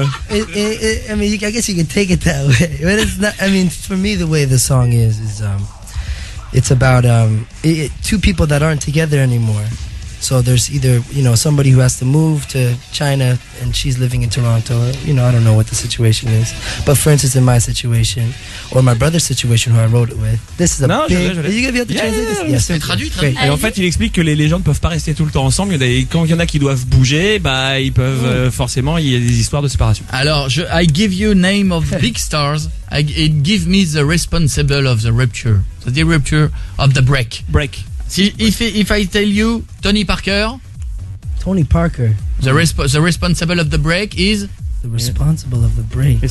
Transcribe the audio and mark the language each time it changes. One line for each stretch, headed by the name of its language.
English: I guess you can take it that way, but it's not. I mean, for me, the way the song is it's about two people that aren't together anymore. So there's either, you know, somebody who has to move to China and she's living in Toronto. You know, I don't know what the situation is. But for instance, in my situation, or my brother's situation, who I wrote it with, this is a
French: non,
English: big...
French: Je l'ai.
English: Are you going to be able to translate this? Yes. Traduit.
French: Et en fait, il explique que les gens ne peuvent pas rester tout le temps ensemble. Quand il y en a qui doivent bouger, bah, ils peuvent forcément, il y a des histoires de séparation.
English: Alors, I give you name of big stars. It give me the responsible of the rupture. So the rupture of the break. Break. Si, if I tell you Tony Parker, the responsible of the break is the responsible of the break.